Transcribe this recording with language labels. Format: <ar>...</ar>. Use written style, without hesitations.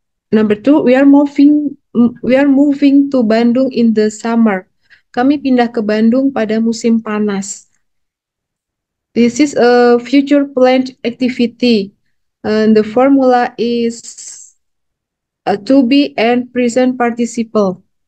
<en>Number two, we are moving to Bandung in the summer.</en> <id>Kami pindah ke Bandung pada musim panas.</id> <en>This is a future planned activity. And the formula is to be and present participle.</en>